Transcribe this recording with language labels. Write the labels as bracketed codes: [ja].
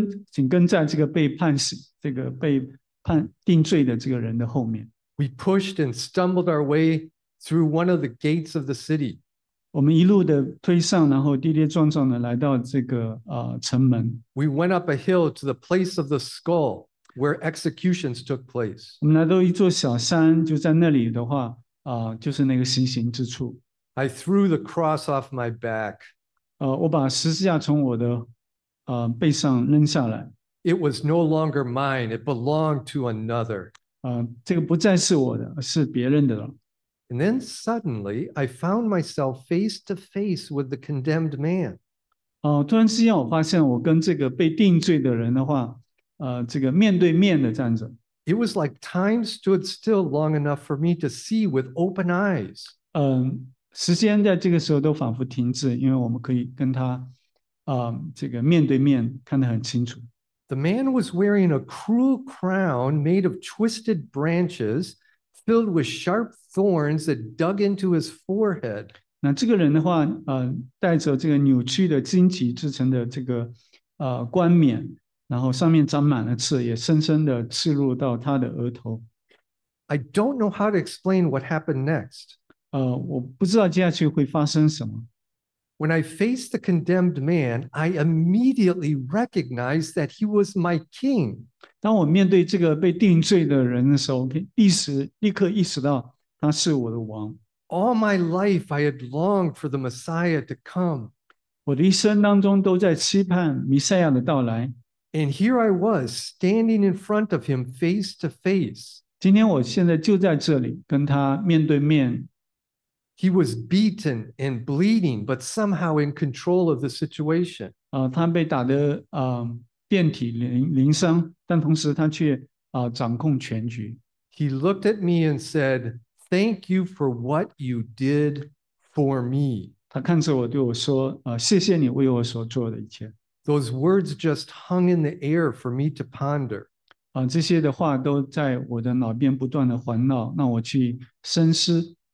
[zh] 紧跟在这个被判死、这个被判定罪的这个人的后面。 [en] We pushed and stumbled our way through one of the gates of the city. [zh] 我们一路的推上，然后跌跌撞撞的来到这个城门。 [en] We went up a hill to the place of the skull where executions took place. [zh] 我们来到一座小山，就在那里的话。就是那个行刑之处。 [en] I threw the cross off my back. [zh] 我把十字架从我的背上扔下来。 [en] It was no longer mine. It belonged to another. [zh] 这个不再是我的，是别人的了。 [en] And then suddenly, I found myself face to face with the condemned man. [zh] 突然之间，我发现我跟这个被定罪的人的话，这个面对面的站着。 [en] It was like time stood still long enough for me to see with open eyes. [zh] 时间在这个时候都仿佛停止，因为我们可以跟他，这个面对面看得很清楚。 [en] The man was wearing a cruel crown made of twisted branches filled with sharp thorns that dug into his forehead. [zh] 那这个人的话，戴着这个扭曲的荆棘制成的这个冠冕，然后上面长满了刺，也深深的刺入到他的额头。 [en] I don't know how to explain what happened next. [zh] 我不知道接下去会发生什么。 [en] When I faced the condemned man, I immediately recognized that he was my king. [zh] 当我面对这个被定罪的人的时候，立刻意识到他是我的王。 [en] All my life, I had longed for the Messiah to come. [zh] 我的一生当中都在期盼弥赛亚的到来。 [en] And here I was, standing in front of him face to face. [zh] 今天我现在就在这里跟他面对面。 [en] He was beaten and bleeding, but somehow in control of the situation. [zh] 他被打得遍体鳞伤，但同时他却掌控全局。 [en] He looked at me and said, "Thank you for what you did for me." [zh] 他看着我对我说，谢谢你为我所做的一切。 [en] Those words just hung in the air for me to ponder. [zh] 这些的话都在我的脑边不断的环绕，让我去深思。